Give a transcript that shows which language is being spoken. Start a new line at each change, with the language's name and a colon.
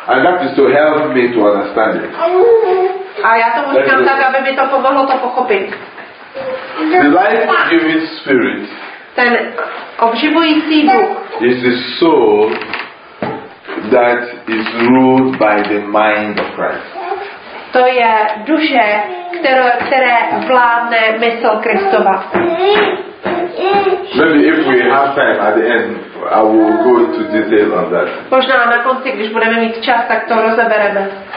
English: And that is to help me to understand it.
Czech: A já tomu říkám tak, aby mi to pomohlo to pochopit.
English: The life-giving spirit.
Czech: Ten obživující duch.
English: Is the soul that is ruled by the mind of Christ.
Czech: To je duše, které vládne mysl Kristova.
English: Maybe if we have time at the end, I will go into detail on that.
Czech: Možná na konci, když budeme mít čas, tak to rozebereme.